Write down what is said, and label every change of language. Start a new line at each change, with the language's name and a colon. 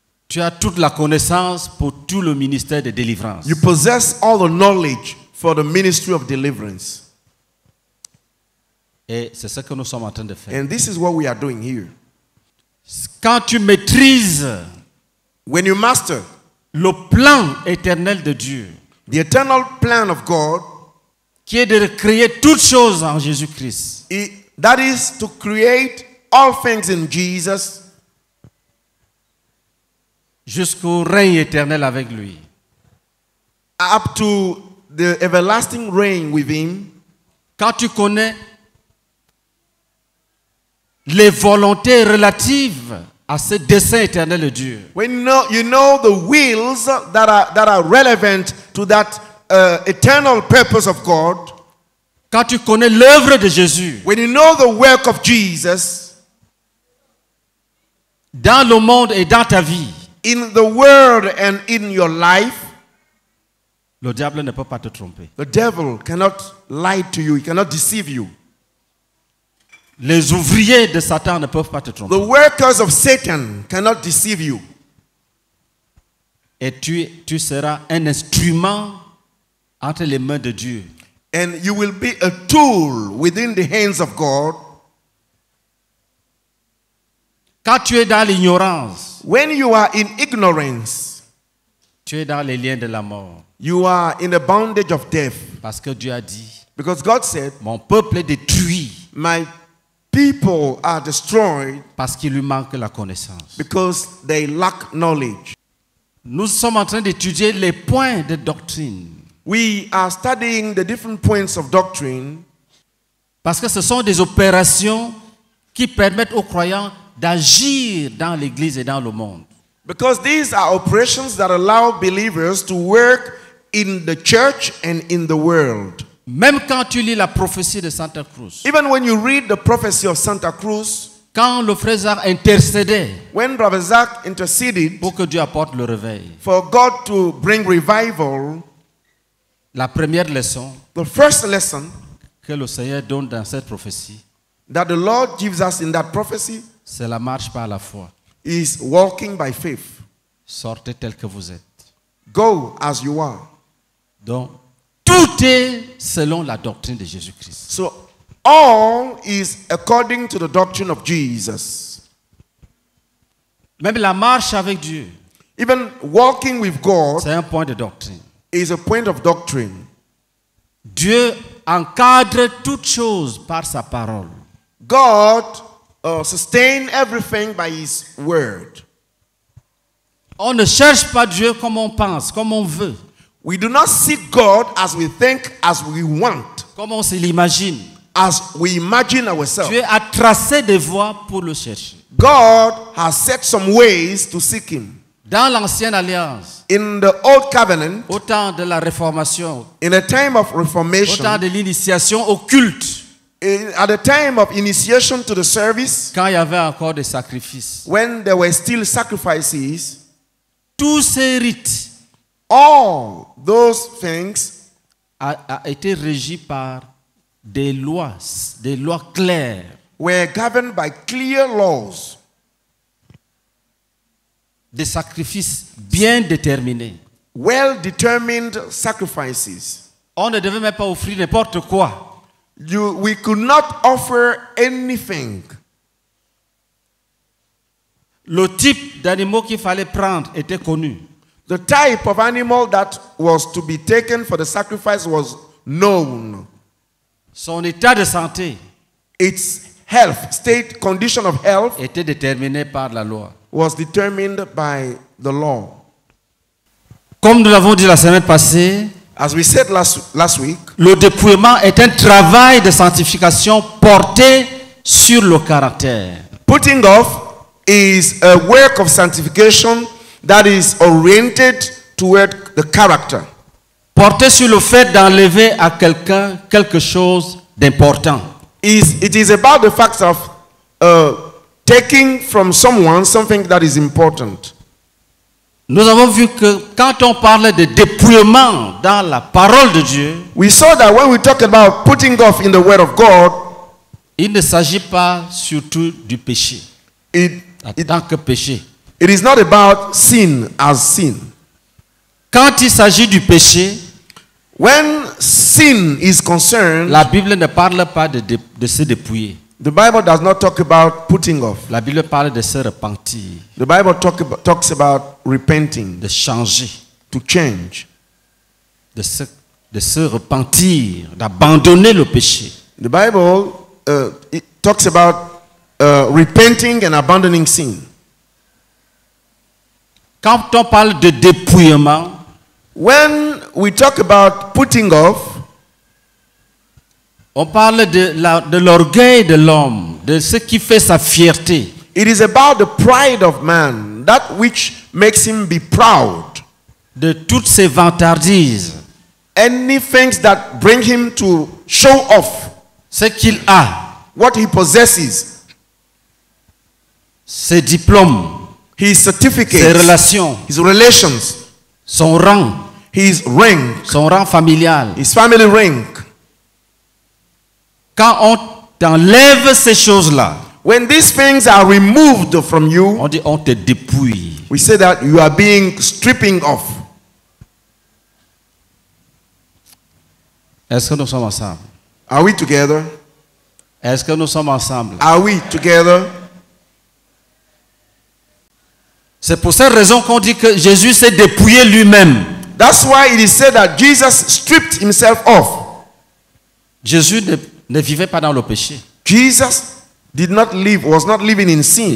French: tu as toute la connaissance pour tout le ministère de délivrance.
English: You possess all the knowledge for the ministry of deliverance.
French: Et c'est ce que nous sommes en train de faire.
English: And this is what we are doing here.
French: Quand tu maîtrises,
English: when you master,
French: le plan éternel de Dieu,
English: the eternal plan of God,
French: qui est de recréer toutes choses en Jésus-Christ,
English: that is to create all things in Jesus,
French: jusqu'au règne éternel avec lui,
English: up to the everlasting reign with him.
French: Quand tu connais les volontés relatives à ce dessein éternel de Dieu,
English: when you know the wills that are relevant to that eternal purpose of God,
French: quand tu connais l'œuvre de Jésus,
English: when you know the work of Jesus,
French: dans le monde et dans ta vie,
English: in the world and in your life,
French: le diable ne peut pas te tromper.
English: The devil cannot lie to you. He cannot deceive you.
French: Les ouvriers de Satan ne peuvent pas te tromper.
English: The workers of Satan cannot deceive you.
French: Et tu seras un instrument entre les mains de Dieu.
English: And you will be a tool within the hands of God.
French: Quand tu es dans l'ignorance,
English: when you are in ignorance,
French: tu es dans les liens de la mort.
English: You are in the bondage of death.
French: Parce que Dieu a dit,
English: because God said,
French: mon peuple est détruit.
English: My people are destroyed,
French: parce qu'il lui manque la connaissance,
English: because they lack knowledge.
French: Nous sommes en train d'étudier les points de doctrine.
English: We are studying the different points of doctrine,
French: parce que ce sont des opérations qui permettent aux croyants d'agir dans l'église et dans le monde.
English: Because these are operations that allow believers to work in the church and in the world.
French: Même quand tu lis la prophétie de Santa Cruz,
English: even when you read the prophecy of Santa Cruz,
French: quand le frère Zach intercédait,
English: when Brother Zach interceded,
French: pour que Dieu apporte le réveil,
English: for God to bring revival,
French: la première leçon,
English: the first lesson,
French: que le Seigneur donne dans cette prophétie,
English: that the Lord gives us in that prophecy,
French: c'est la marche par la foi,
English: is walking by faith.
French: Sortez tel que vous êtes.
English: Go as you are.
French: Donc, tout est selon la doctrine de Jésus-Christ.
English: So, all is according to the doctrine of Jesus.
French: Même la marche avec Dieu,
English: even walking with God,
French: c'est un point de doctrine,
English: is a point of doctrine.
French: Dieu encadre toutes choses par sa parole.
English: God sustains everything by his word.
French: On ne cherche pas Dieu comme on pense, comme on veut.
English: We do not seek God as we think, as we want.
French: Comme on se l'imagine.
English: As we imagine ourselves.
French: Dieu a tracé des voies pour le chercher.
English: God has set some ways to seek him.
French: Dans l'ancienne alliance,
English: in the old covenant,
French: au temps de la réformation,
English: in a time of reformation,
French: au temps de l'initiation au culte,
English: at the time of initiation to the service,
French: quand il y avait encore des sacrifices,
English: when there were still sacrifices,
French: tous ces rites,
English: all those things,
French: a été régi par des lois claires,
English: were governed by clear laws.
French: Des sacrifices bien déterminés.
English: Well-determined sacrifices.
French: On ne devait même pas offrir n'importe quoi.
English: We could not offer anything.
French: Le type d'animaux qu'il fallait prendre était connu.
English: The type of animal that was to be taken for the sacrifice was known.
French: Son état de santé,
English: its health, state, condition of health,
French: était déterminé par la loi,
English: was determined by the law.
French: Comme nous l'avons dit la semaine passée,
English: as we said last week,
French: le dépouillement est un travail de sanctification porté sur le caractère.
English: Putting off is a work of sanctification that is oriented toward the character.
French: Porté sur le fait d'enlever à quelqu'un quelque chose d'important.
English: It is about the fact of taking from someone something that is important.
French: Nous avons vu que quand on parle de dépouillement dans la parole de Dieu,
English: we saw that when we talk about putting off in the word of God,
French: il ne s'agit pas surtout du péché.
English: It is not about sin as sin.
French: Quand il s'agit du péché,
English: when sin is concerned,
French: la Bible ne parle pas de se dépouiller.
English: The Bible does not talk about putting off.
French: La Bible parle de se repentir.
English: The Bible talks about repenting.
French: De changer.
English: To change.
French: De se repentir, d'abandonner le péché.
English: The Bible talks about repenting and abandoning sin.
French: Quand on parle de dépouillement,
English: when we talk about putting off,
French: on parle de l'orgueil de l'homme, de ce qui fait sa fierté.
English: It is about the pride of man, that which makes him be proud.
French: De toutes ses vantardises.
English: Anything that brings him to show off.
French: Ce qu'il a.
English: What he possesses.
French: Ses diplômes.
English: His certificates.
French: Ses relations.
English: His relations.
French: Son rang.
English: His rank.
French: Son rang familial.
English: His family rank.
French: Quand on t'enlève ces choses-là,
English: when these things are removed from you,
French: on dit on te dépouille.
English: We say that you are being stripping off.
French: Est-ce que nous sommes ensemble?
English: Are we together?
French: Est-ce que nous sommes ensemble?
English: Are we together?
French: C'est pour cette raison qu'on dit que Jésus s'est dépouillé lui-même.
English: That's why it is said that Jesus stripped himself off.
French: Jésus ne vivait pas dans le péché.
English: Jesus did not live, was not living in sin.